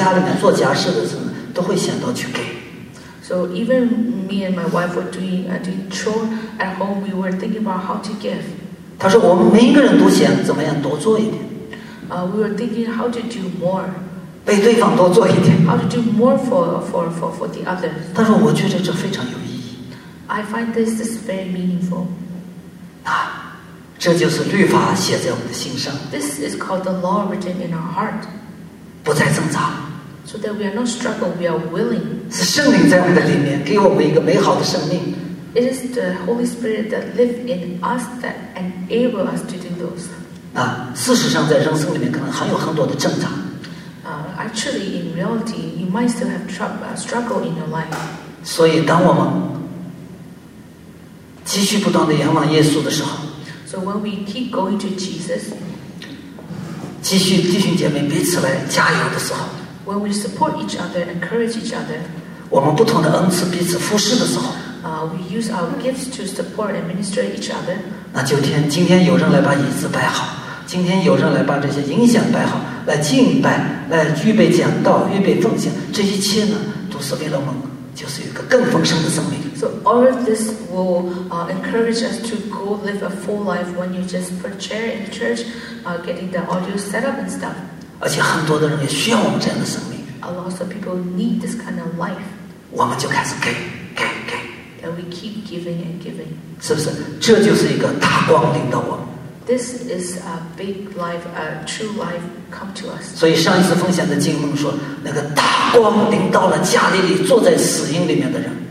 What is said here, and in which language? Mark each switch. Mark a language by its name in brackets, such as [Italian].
[Chinese] 他说：“我和我的太太呢，我们在家里面做家事的时候，都会想到去给。” [English] So even me and my wife were doing chore at home. We were thinking about how to give. [Chinese] 他说：“我们每一个人都想怎么样多做一点。” [English] We were thinking how to do more. [Chinese] 为对方多做一点。 [English] How to do more for the others. [Chinese] 他说：“我觉得这非常有意义。” [English] I find this very meaningful. [Chinese] 这就是律法写在我们的心上。 [English] This is called the law written in our heart. [Chinese] 不再挣扎。 [English] So that we are not struggling, we are willing. [Chinese] 是圣灵在我们的里面，给我们一个美好的生命。 [English] It is the Holy Spirit that lives in us that enables us to do those. [Chinese] 事实上在人生里面可能还有很多的挣扎。 [English] Actually, in reality, you might still have struggle in your life. [Chinese] 所以当我们继续不断地仰望耶稣的时候, [English] So when we keep going to Jesus, [Chinese] 继续弟兄姐妹彼此来加油的时候, [English] When we support each other, encourage each other, [Chinese] 我们不同的恩赐彼此服侍的时候, [English] We use our gifts to support and minister each other. [Chinese] 那就天,今天有人来把椅子摆好,今天有人来把这些影响摆好,来敬拜,来预备讲道,预备奉献,这一切呢,都是为了我们,就是一个更丰盛的生命。 [English] So all of this will encourage us to go live a full life when you just put a chair in the church, getting the audio set up and stuff. [Chinese] 而且很多的人也需要我们这样的生命。 [English] A lot of people need this kind of life. [Chinese] 我们就开始给。 [English] And we keep giving and giving. [Chinese] 是不是？这就是一个大光临到我们。 [English] this is a big life, a true life come to us. [Chinese] 所以上一次奉献的经文说，那个大光临到了加利利坐在死荫里面的人。